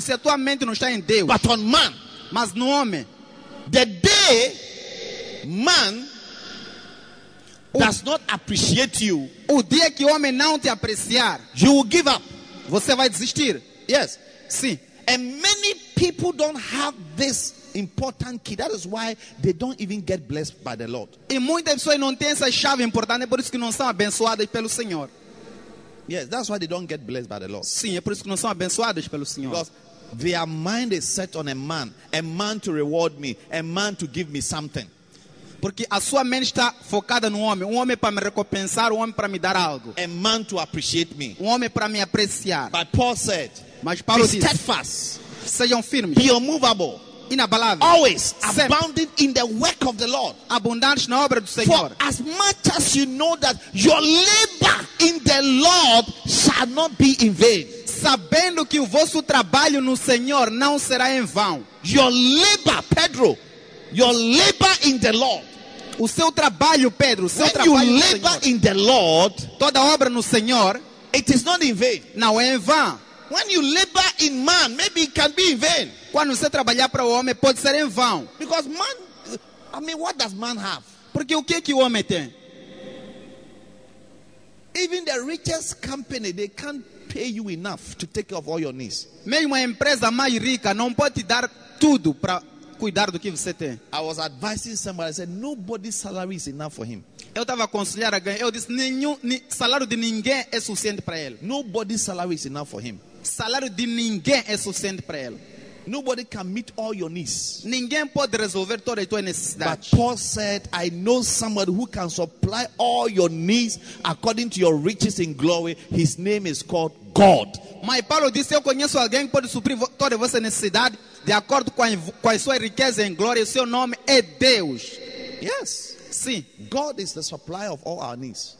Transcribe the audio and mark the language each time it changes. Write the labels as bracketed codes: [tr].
[pt] Se a tua mente não está em Deus. [en] But on man. [pt] Mas no homem. [en] The day man does not appreciate you, [pt] o dia que o homem não te apreciar, [en] you will give up. [pt] Você vai desistir. [en] Yes. [pt] Sim. [en] And many people don't have this important key. That is why they don't even get blessed by the Lord. [pt] E muitas pessoas não têm essa chave importante, por isso que não são abençoadas pelo Senhor. [en] Yes, that's why they don't get blessed by the Lord. [pt] Sim, é por isso que não são abençoados pelo Senhor. [en] Because their mind is set on a man to reward me, a man to give me something. [pt] Porque a sua mente está focada no homem, um homem para me recompensar, um homem para me dar algo. [en] A man to appreciate me. [pt] Um homem para me apreciar. [en] But Paul said, [pt] mas Paulo disse, [en] steadfast, [pt] sejam firmes. [en] Be immovable. [pt] Inabalável. [en] Always abounding in the work of the Lord. [pt] Abundante na obra do Senhor. [en] For as much as you know that your labor in the Lord shall not be in vain. [pt] Sabendo que o vosso trabalho no Senhor não será em vão. [en] Your labor, Pedro. Your labor in the Lord. [pt] O seu trabalho, Pedro. Seu [en] when [pt] trabalho [en] you labor [pt] no Senhor, [en] in the Lord, [pt] toda obra no Senhor, [en] it is not in vain. [pt] Não é em vão. [en] When you labor in man, maybe it can be in vain. [pt] Quando você trabalhar para o homem, pode ser em vão. [en] Because man, I mean, what does man have? [pt] Porque o que que o homem tem? [en] Even the richest company, they can't pay you enough to take care of all your needs. [pt] Mesmo a empresa mais rica não pode te dar tudo para cuidar do que você tem. [en] I was advising somebody. I said nobody's salary is enough for him. [pt] Eu estava aconselhando alguém. Eu disse nenhum salário de ninguém é suficiente para ele. [en] Nobody's salary is enough for him. [pt] Salário de ninguém é suficiente para ele. [en] Nobody can meet all your needs. [pt] Ninguém pode resolver todas as tuas necessidades. [en] But Paul said, I know somebody who can supply all your needs according to your riches in glory. His name is called God. [pt] Mas Paulo disse, eu conheço alguém que pode suprir todas as suas necessidades de acordo com as suas riquezas em glória. O seu nome é Deus. [en] Yes. [pt] Sim. [en] God is the supplier of all our needs.